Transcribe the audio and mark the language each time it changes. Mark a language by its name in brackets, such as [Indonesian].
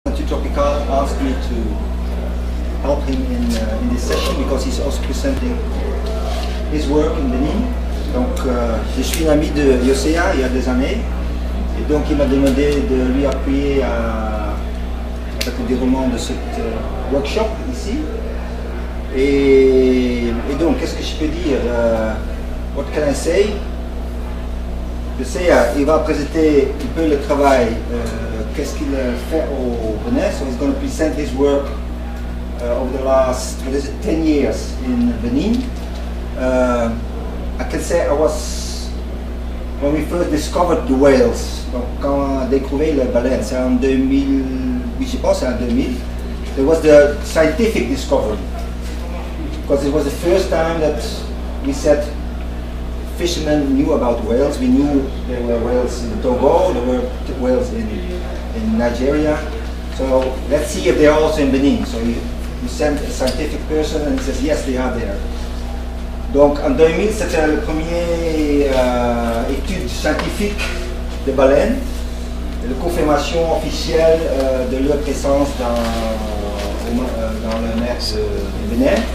[English] Tropical asked me to help him in this session because he's also presenting his work in Benin. [French] Donc, je suis un ami de Yosea il y a des années. Et donc, il m'a demandé de lui appuyer à faire des romans de ce workshop ici. Et donc, qu'est-ce que je peux dire? [English] What can I say? [French] Yosea, il va présenter un peu le travail. Qu'est-ce qu'il fait au Benin? [English] So he's going to present his work over the last, what is it, 10 years in Benin. I can say I was, when we first discovered the whales, [French] donc quand on a découvert le baleine, c'est en 2000, oui, je pense c'est en 2000, [English] there was the scientific discovery. Because it was the first time that we said fishermen knew about whales. We knew there were whales in Togo, there were whales in Nigeria. So let's see if they are also in Benin. So you send a scientific person and he says, yes, they are there. [French] Donc en 2000, c'était la première étude scientifique de baleines, la confirmation officielle de leur présence dans la mer du Bénin.